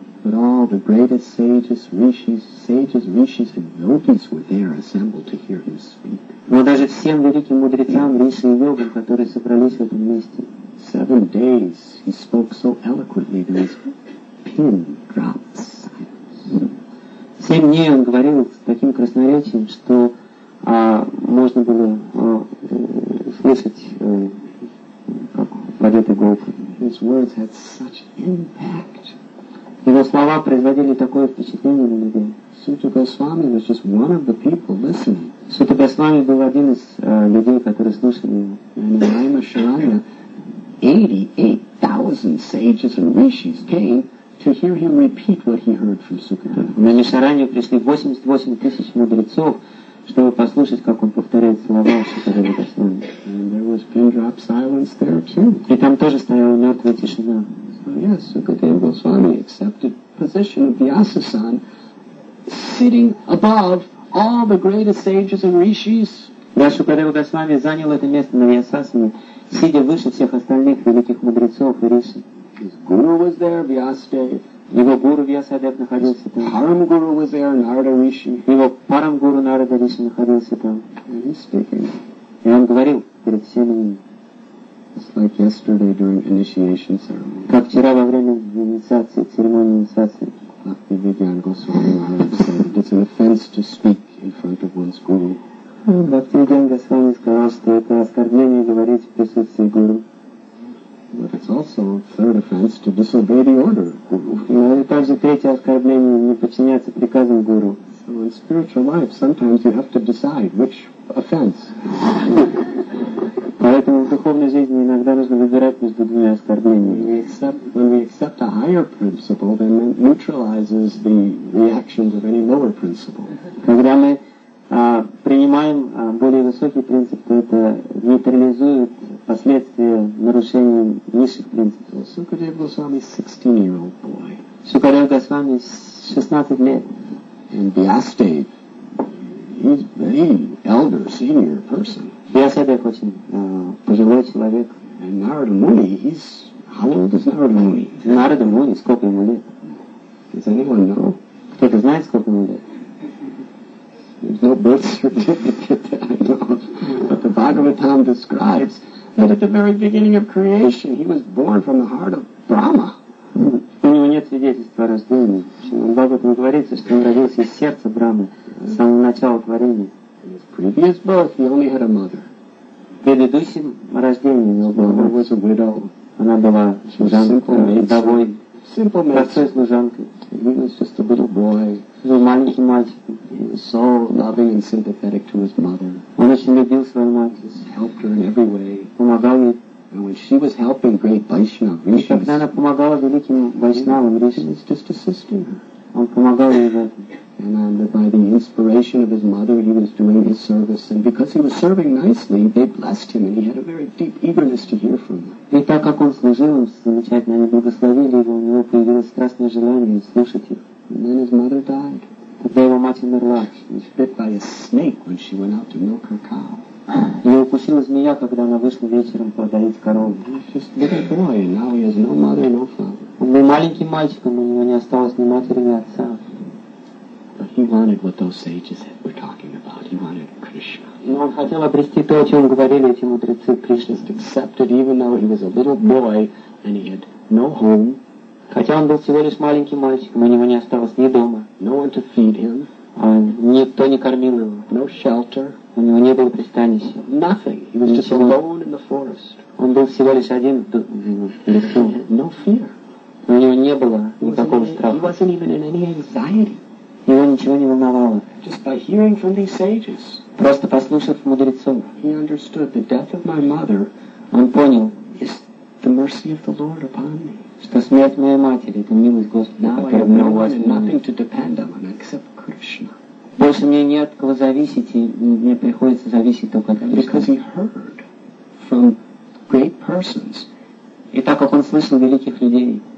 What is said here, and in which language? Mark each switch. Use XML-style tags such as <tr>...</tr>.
<en>But all the greatest sages, rishis, and yogis were there assembled to hear him speak.</en> <ru>Но даже всем великим мудрецам, риши и йогам, которые собрались в этом месте.</ru> <en>7 days he spoke so eloquently there was pin drop silence.</en> <ru>7 дней он говорил с таким красноречием, что можно было слышать, как падет иголка.</ru> <en>His words had such impact.</en> <ru>Его слова производили такое впечатление на людей.</ru> <en>Сута Госвами was just one of the people listening.</en> <ru>Сута Госвами был один из людей, которые слушали его.</ru> <en>And in Naima Sharanya, 88,000 sages and rishis came to hear him repeat what he heard from Сукадева.</en> <ru>На Мишаранью пришли 88,000 мудрецов, чтобы послушать, как он повторяет слова Сукадева Госвами.</ru> <en>And there was pin drop silence there too.</en> <ru>И там тоже стояла мертвая тишина.</ru> <en>Yes, Sukadeva Goswami accepted position of Vyasasan, sitting above all the greatest sages and rishis.</en> <ru>Да, Sukadeva Goswami занял это место на Vyasasana, сидя выше всех остальных великих мудрецов и риши.</ru> <en>His guru was there, Vyasadeva.</en> <ru>Его гуру Vyasadeva находился там.</ru> <en>Param guru was there, Narada Rishi.</en> <ru>Его Param guru Narada Rishi находился там.</ru> <en>And he's speaking.</en> <ru>И он говорил перед всеми ними.</ru> <en>It's like yesterday during initiation ceremony.</en> <ru>Как вчера во время инициации, церемонии инициации.</ru> <en>Bhakti Vidyan Goswami Maharaj said, it's an offense to speak in front of one's guru.</en> <ru>Bhakti Vidyan Goswami сказал, что это оскорбление говорить в присутствии гуру.</ru> <en>But it's also a third offense to disobey the order guru. So in spiritual life sometimes you have to decide which offense.</en> <ru>Поэтому в духовной жизни иногда нужно выбирать между двумя оскорблениями.</ru> <en>When we accept a higher principle, then it neutralizes the reactions of any lower principle.</en> <ru>Когда мы принимаем более высокий принцип, то это нейтрализует последствия нарушения низших принципов.</ru> <en>Sukadeva Goswami, 16-year-old boy.</en> <ru>Sukadeva Goswami, 16 лет.</ru> <en>And Vyasadeva, he's very elder, senior person.</en> <ru>Vyasadeva очень пожилой человек.</ru> <en>And Narada Muni, he's... How old is Narada Muni?</en> <ru>Narada Muni, сколько ему лет?</ru> <en>Does anyone know?</en> <ru>Кто-то знает, сколько ему лет?</ru> <en>There's no birth certificate that I know. But the Bhagavatam describes that at the very beginning of creation, he was born from the heart of Brahma.</en> <ru>У него нет свидетельства о рождении. В Бхагаватам говорится, что он родился из сердца Брамы, с самого начала творения.</ru> <en>In his previous birth, he only had a mother.</en> <ru>В предыдущем рождении у него была мать.</ru> <en>Was a widow.</en> <ru>Она была вдовой.</ru> <en>Simple man.</en> <ru>Простой служанкой.</ru> <en>He was just a little boy. He was a little boy. He was so loving and sympathetic to his mother.</en> <ru>Он очень любил свою мать.</ru> <en>He helped her in every way.</en> <ru>Помогал ей.</ru> <en>And when she was helping great Vaishnava rishis,</en> <ru>и когда она помогала великим Вайшнавам ришам,</ru> <en>he was just assisting her.</en> <ru>Он помогал ей.</ru> <en>And by the inspiration of his mother, he was doing his service. And because he was serving nicely, they blessed him, and he had a very deep eagerness to hear from them.</en> <ru>И так как он служил им замечательно, они благословили его, у него появилось страстное желание слушать их.</ru> <en>And then his mother died.</en> <ru>Тогда его мать умерла.</ru> <en>She was bit by a snake when she went out to milk her cow.</en> <ru>Ее укусила змея, когда она вышла вечером подоить корову.</ru> <en>He's just a little boy, and now he has no mother, no father.</en> <ru>Он был маленьким мальчиком, у него не осталось ни матери, ни отца.</ru> <en>But he wanted what those sages that we're talking about. He wanted Krishna.</en> <ru>Но он хотел обрести то, о чем говорили эти мудрецы. Кришна</ru> <en>accepted, even though he was a little boy and he had no home.</en> <ru>Хотя он был всего лишь маленьким мальчиком, у него не осталось ни дома.</ru> <en>No one to feed him.</en> <ru>Никто не кормил его.</ru> <en>No shelter.</en> <ru>У него не было пристанища.</ru> <en>Nothing. He was just alone in the forest.</en> <ru>Он был всего лишь один в лесу.</ru> <en>No fear.</en> <ru>У него не было никакого страха.</ru> <en>He wasn't even in any anxiety.</en> <ru>Его ничего не волновало.</ru> <en>Just by hearing from these sages,</en> <ru>просто послушав мудрецов,</ru> <en>he understood the death of my mother,</en> <ru>он понял,</ru> <en>is the mercy of the Lord upon me.</en> <ru>Что смерть моей матери — это милость Господа.</ru> <en>Now I have no one and nothing to depend on except Krishna.</en> <ru>Больше мне не от кого зависеть, и мне приходится зависеть только от Кришны.</ru> <en>Because he heard from great persons,</en> <ru>и так как он слышал великих людей,</ru>